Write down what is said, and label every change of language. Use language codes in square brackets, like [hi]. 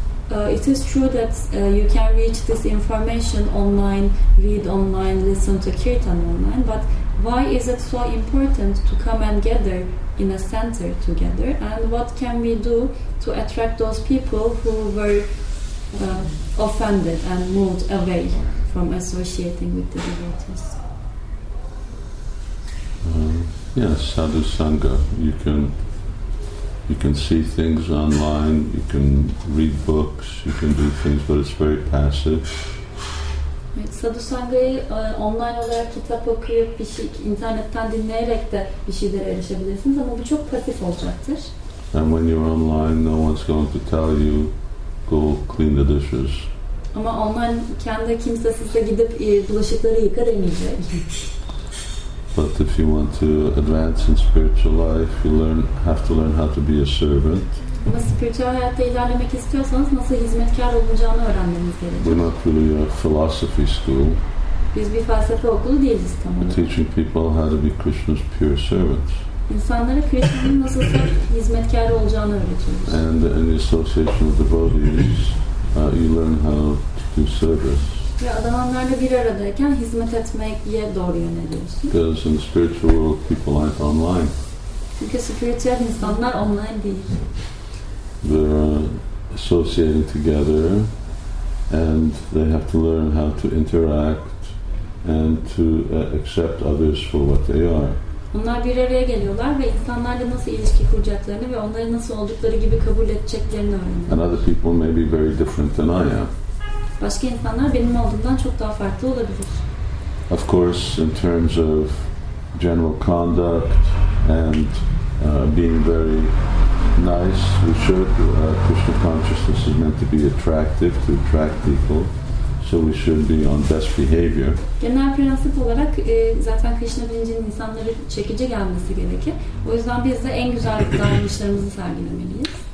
[en] It is true that you can reach this information online, read online, listen to kirtan online, but why is it so important to come and gather in a center together, and what can we do to attract those people who were offended and moved away from associating with the devotees? Sadhu Sangha. You can see things online, you can read books, you can do things, but it's very passive. [tr] Evet, Sadhu Sangha'yı online olarak kitap okuyup, bir şey, internetten dinleyerek de bir şeylere erişebilirsiniz ama bu çok pasif olacaktır. [en] And when you're online, no one's going to tell you, go clean the dishes. [tr] Ama online kendi kimse size gidip bulaşıkları yıka demeyecek. [en] But if you want to advance in spiritual life, you have to learn how to be a servant. [tr] Ama spiritual hayatta ilerlemek istiyorsanız nasıl hizmetkar olacağını öğrenmeniz gerekiyor. [en] We're not really a philosophy school. [tr] Biz bir felsefe okulu değiliz tamamen. [en] We're teaching people how to be Krishna's pure servants. [tr] İnsanlara Krishna'nın nasıl hizmetkar olacağını öğretiyoruz. [en] And in the association of devotees, you learn how to do service. [tr] Ve adamlarla bir aradayken hizmet etmeye doğru yöneliyorsun. [en] Because in the spiritual world, people aren't online. [tr] Çünkü spiritual insanlar online değil. [en] They're associating together and they have to learn how to interact and to accept others for what they are. [tr] Onlar bir araya geliyorlar ve insanlarla nasıl ilişki kuracaklarını ve onları nasıl oldukları gibi kabul edeceklerini öğreniyorlar. [en] And other people may be very different than I am. [tr] Başka insanlar benim olduğumdan çok daha farklı olabilir. [en] Of course, in terms of general conduct and being very nice, we should. Krishna consciousness is meant to be attractive, to attract people. So we should be on best behavior. [tr] Genel prensip olarak zaten Krishna bilincinin insanları çekici gelmesi gerekir. O yüzden biz de en güzel davranışlarımızı sergilemeliyiz.